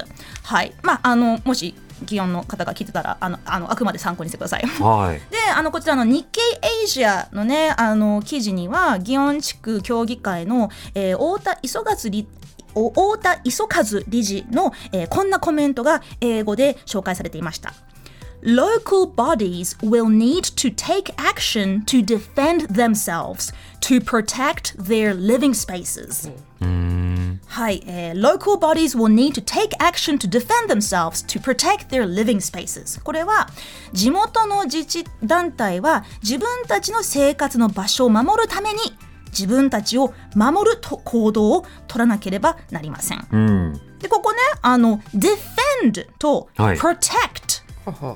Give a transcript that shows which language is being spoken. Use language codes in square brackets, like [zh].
[ja] うん、はい、まあ、あのもし議員の方が聞いてたら あのあくまで参考にしてください。はい、であのこちらの日経アジアのねあの記事には祇園地区協議会の、太田磯和理事の、こんなコメントが英語で紹介されていました。 [en] Local bodies will need to take action to defend themselves to protect their living spaces。はい、Local bodies will need to take action to defend themselves to protect their living spaces。 [ja] これは地元の自治団体は自分たちの生活の場所を守るために自分たちを守ると行動を取らなければなりません。うん、でここねあの defend と protect、はい、